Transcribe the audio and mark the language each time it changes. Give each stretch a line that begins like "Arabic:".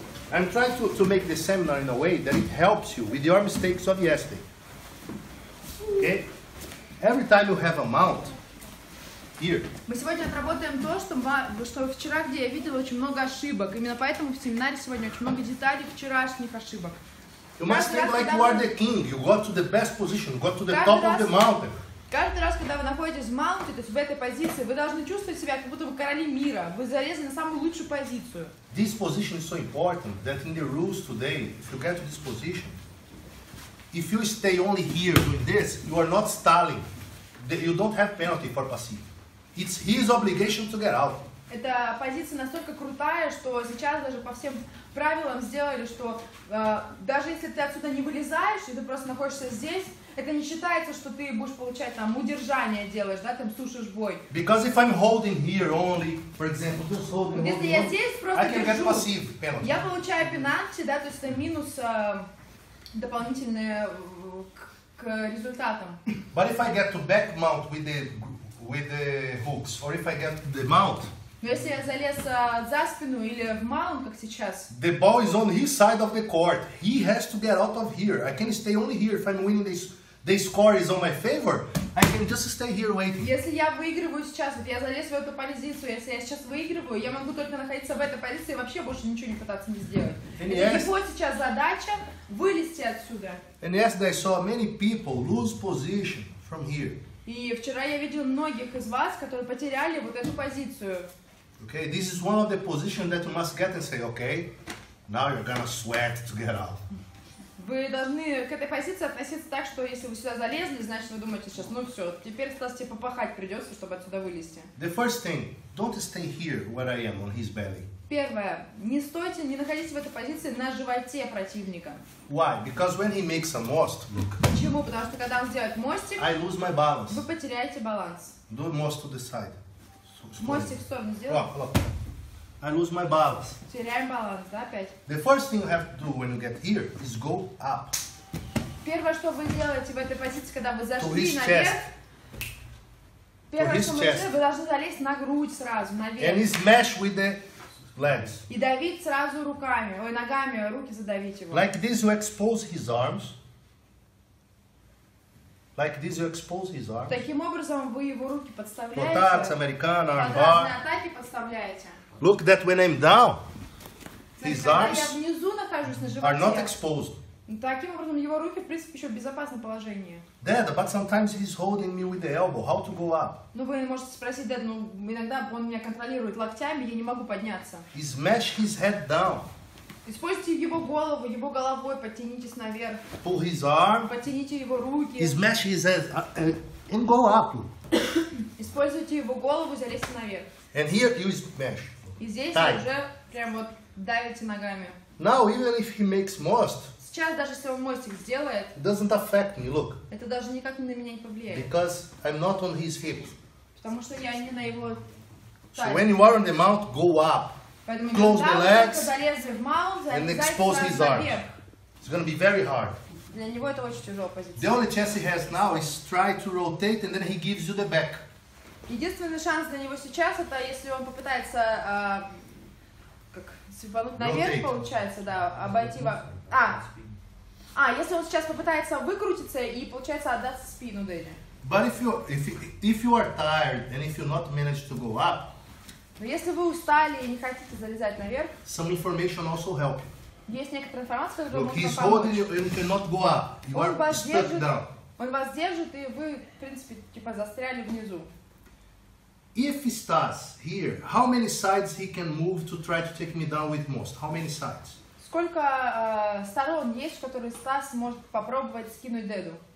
English: I'm trying to make the seminar in a way that it helps you with your mistakes of yesterday. Okay? Every time you have a mount,
Russian: Мы сегодня отработаем то, что вчера, где я видела очень много ошибок. Именно поэтому в семинаре сегодня очень много деталей вчерашних ошибок.
English: You must think like you are the king. You got to the best position, got to the top of the mountain.
Russian: Каждый раз, когда вы находитесь в маунте, то есть в этой позиции, вы должны чувствовать себя, как будто вы короли мира. Вы залезли на самую лучшую позицию.
English: This position is so important that in the rules today, if you get to this position, if you stay only here doing this, you are not stalling. You don't have penalty for passive. It's his obligation to get out.
Russian: Эта позиция настолько крутая, что сейчас даже по всем правилам сделали, что даже если ты отсюда не вылезаешь, и ты просто находишься здесь, это не считается, что ты будешь получать там удержание делаешь, да, там сушишь бой.
English: Because if I'm holding here only, for example, just holding.
Russian: Если я здесь просто держу,
English: I can get passive penalty.
Russian: Я получаю пенальти, да, то есть это минус дополнительные к результатам.
English: But if I get to back mount with the hooks, or if I get the mount.
Russian: Но если я залез за спину или в маунт, как сейчас.
English: The ball is on his side of the court. He has to get out of here. I can stay only here if I'm winning this. The score is on my favor. I can just stay here waiting.
Russian: Если я выигрываю сейчас, вот я залез в эту позицию. Если я сейчас выигрываю, я могу только находиться в этой позиции и вообще больше ничего не пытаться не сделать.
English: Yes,
Russian: его сейчас задача вылезти отсюда.
English: And yesterday I saw many people lose position from here.
Russian: И вчера я видел многих из вас, которые потеряли вот эту позицию.
English: Okay, this is one of the positions that you must get and say, okay, now you're gonna sweat to get out.
Russian: Вы должны к этой позиции относиться так, что если вы сюда залезли, значит вы думаете сейчас, ну все, теперь осталось тебе попахать придется, чтобы отсюда вылезти.
English: The first thing, don't stay here where I am on his belly.
Russian: Первое, не стойте, не находитесь в этой позиции на животе противника.
English: Why? Because when he makes a most, look.
Russian: Почему? Потому что когда он делает мостик,
English: I lose my balance.
Russian: Вы потеряете баланс.
English: Do most to the side.
Russian: Мостик в сторону сделать.
English: I lose my balance.
Russian: Теряем баланс, да, опять.
English: The first thing you have to do when you get here is go up.
Russian: Первое, что вы делаете в этой позиции, когда вы зашли наверх. Вы должны залезть на грудь сразу, наверх.
English: And smash with the legs.
Russian: И давить сразу руками, ой, ногами, руки задавить его.
English: Like this you expose his arms. Like this you expose his arms.
Russian: Таким образом вы его руки подставляете. Вот так, американо, армбар. Под разные атаки подставляете.
English: Look that when I'm down, his arms are not exposed.
Russian: Таким образом, его руки, в принципе, еще в безопасном положении.
English: Деда, but sometimes he's holding me with the elbow. How to go up?
Russian: Ну, вы можете спросить, Деда, ну, иногда он меня контролирует локтями, я не могу подняться.
English: He smash his head down.
Russian: Используйте его головой подтянитесь наверх.
English: Pull his arm.
Russian: Подтяните его руки.
English: He smash his head and go up.
Russian: Используйте его голову, залезьте наверх.
English: And here you smash.
Russian: И здесь вы уже прям вот давите ногами.
English: Now even if he makes most.
Russian: Сейчас даже если он мостик сделает.
English: Doesn't affect me, look.
Russian: Это даже никак на меня не повлияет.
English: Because I'm not on his hip.
Russian: Потому что я не на его.
English: So when you are on the mount, go up.
Russian: Поэтому
English: close the legs.
Russian: Залезли в маунт,
English: and expose his arms.
Russian: Наверх.
English: It's gonna be very hard.
Russian: Для него это очень тяжелая позиция.
English: The only chance he has now is try to rotate and then he gives you the back.
Russian: Единственный шанс для него сейчас, это если он попытается свернуть наверх, получается, да, обойти во... если он сейчас попытается выкрутиться и, получается, отдаться в спину Дэнни.
English: But if you are tired and if you not manage to go up...
Russian: Но если вы устали и не хотите залезать наверх...
English: Some information also help.
Russian: Есть некоторая информация, которая может помочь.
English: Look, he's holding you, you cannot go up. You are stuck down.
Russian: Он вас держит, и вы, в принципе, типа застряли внизу.
English: If he starts here, how many sides he can move to try to take me down with most? How many sides?
Russian: Сколько сторон есть, в которые Стас может попробовать скинуть деду?